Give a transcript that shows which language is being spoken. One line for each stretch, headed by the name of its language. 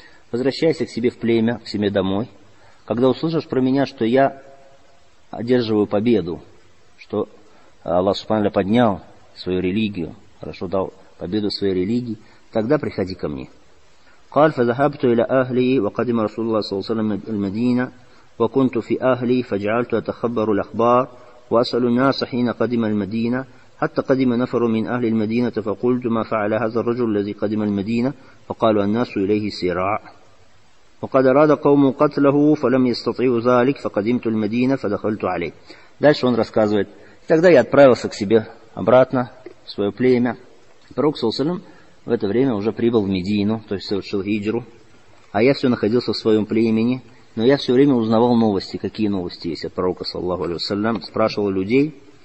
Russian: Возвращайся к себе в племя, к себе домой. Когда услышишь про меня, что я одерживаю победу, что Аллах Субхану поднял свою религию, хорошо дал победу своей религии, тогда приходи ко мне.
Arabic: قال فذهبت إلى أهلي وقدم رسول الله صلى الله عليه وسلم المدينة وكنت في أهلي فجعلت أتخبر الأخبار وأسأل الناس حين قدم المدينة حتى قدم نفر من أهل المدينة فقلت ما فعل هذا الرجل الذي قدم المدينة فقالوا الناس إليه سراع وقد أراد قوم قتله فلم يستطيعوا ذلك فقدمت المدينة فدخلت عليه.
Russian: Дальше он рассказывает. Тогда я отправился к себе обратно, в свое племя. Пророк Саусалям в это время уже прибыл в Медину, то есть совершил хиджру. А я все находился в своем племени. Но я все время узнавал новости, какие новости есть от пророка, саллаху алейхи вассалям, спрашивал людей.